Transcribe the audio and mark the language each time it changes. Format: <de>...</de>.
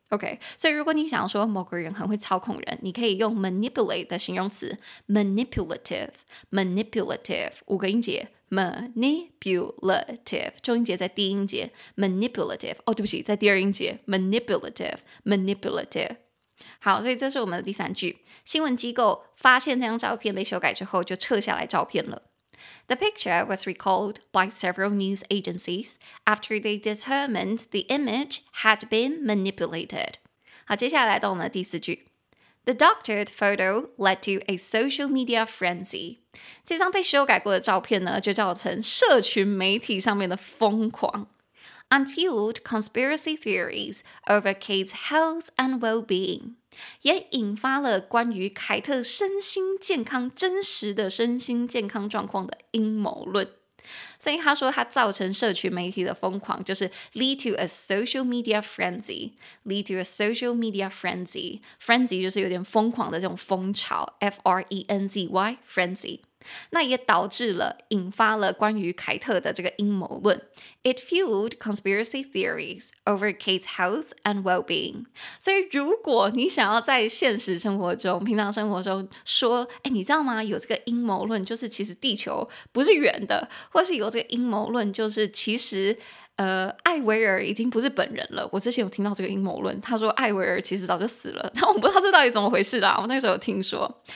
<zh>OK， 所以如果你想说某个人很会操控人，你可以用 manipulate 的形容词 manipulative， manipulative 五个音节 manipulative 中音节在第一音节 manipulative， 哦对不起在第二音节 manipulative， manipulative。好，所以这是我们的第三句。新闻机构发现这张照片被修改之后就撤下来照片了。</zh> <en>The picture was recalled by several news agencies after they determined the image had been manipulated.</en> <zh>好，接下来到我们的第四句。</zh> <en>The doctored photo led to a social media frenzy.</en> <zh>这张被修改过的照片呢，就造成社群媒体上面的疯狂。</zh> <en>Unfueled conspiracy theories over Kate's health and well-being.</en> <zh>也引发了关于凯特身心健康真实的身心健康状况的阴谋论。所以他说他造成社群媒体的疯狂，就是</zh> <en>lead to a social media frenzy，</en> <zh>lead to a social media frenzy， frenzy 就是有点疯狂的这种风潮， F-R-E-N-Z-Y frenzy。那也导致了引发了关于凯特的这个阴谋论。</zh> <en>It fueled conspiracy theories over Kate's health and well-being.</en> <zh>所以如果你想要在现实生活中平常生活中说哎，你知道吗，有这个阴谋论就是其实地球不是圆的，或是有这个阴谋论就是其实艾薇儿已经不是本人了。我之前有听到这个阴谋论，他说艾薇儿其实早就死了，但我不知道这到底怎么回事啦，我那时候有听说。</zh>